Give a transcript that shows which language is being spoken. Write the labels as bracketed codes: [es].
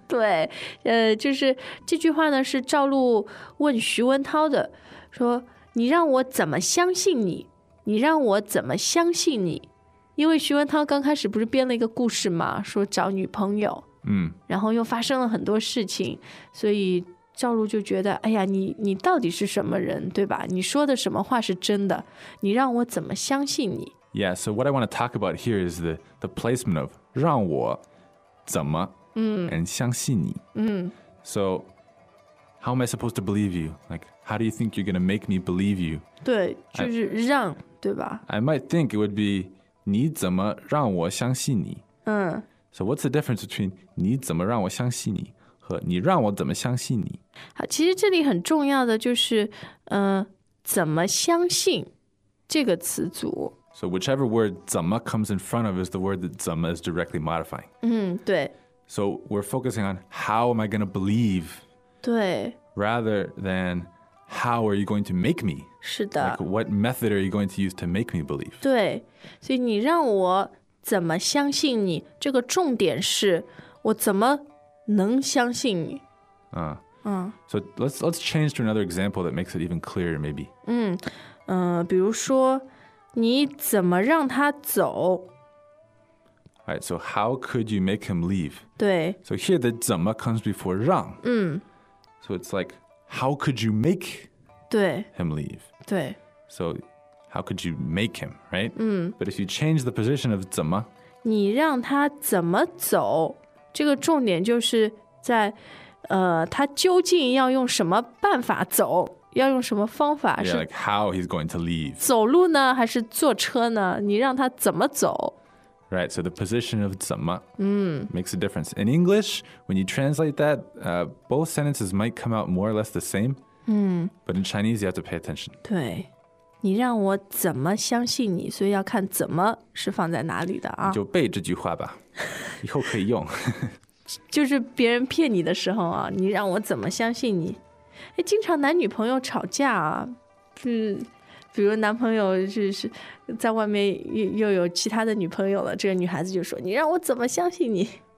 [zh] 对，就是这句话呢是赵露问徐文涛的，说你让我怎么相信你？你让我怎么相信你？因为徐文涛刚开始不是编了一个故事吗，说找女朋友，嗯，然后又发生了很多事情，所以赵露就觉得哎呀，你到底是什么人，对吧？你说的什么话是真的？你让我怎么相信你？ [en] Yeah, so what I want to talk about here is the placement of [zh] 让我怎么 [en] and [zh] 相信你。 [en] So how am I supposed to believe you? Like, how do you think you're going to make me believe you? [zh] 对，就是让，对吧？ [en] I might think it would be [zh] 你怎么让我相信你？ [en] So what's the difference between [zh] 你怎么让我相信你和你让我怎么相信你？好，其实这里很重要的就是怎么相信这个词组。 [en] So whichever word 怎么 comes in front of is the word that 怎么 is directly modifying. [zh] 对。 [en] So we're focusing on how am I going to believe? [zh] 对。 [en] Rather than how are you going to make me? [zh] 是的。 [en] Like what method are you going to use to make me believe? [zh] 对。所以你让我怎么相信你这个重点是我怎么能相信你。 [en] So let's change to another example that makes it even clearer, maybe. [zh] 比如说你怎么让他走? [en] Alright, so how could you make him leave? [zh] 对。 [en] So here the 怎么 comes before 让。So it's like, how could you make [zh] 对 [en] him leave? [zh] 对。 [en] So how could you make him, right? 嗯。 But if you change the position of 怎么? [zh] 你让他怎么走? 这个重点就是在他究竟要用什么办法走? 要用什么方法 [en] Yeah, like how he's going to leave. [zh] 走路呢还是坐车呢你让他怎么走 [en] Right, so the position of 怎么、makes a difference. In English, when you translate that,both sentences might come out more or less the same,、but in Chinese, you have to pay attention. [zh] 对你让我怎么相信你所以要看怎么是放在哪里的啊你就背这句话吧以后可以用。就是别人骗你的时候啊你让我怎么相信你哎，经常男女朋友吵架啊，比如男朋友是在外面 又有其他的女朋友了，这个女孩子就说：“你让我怎么相信你？”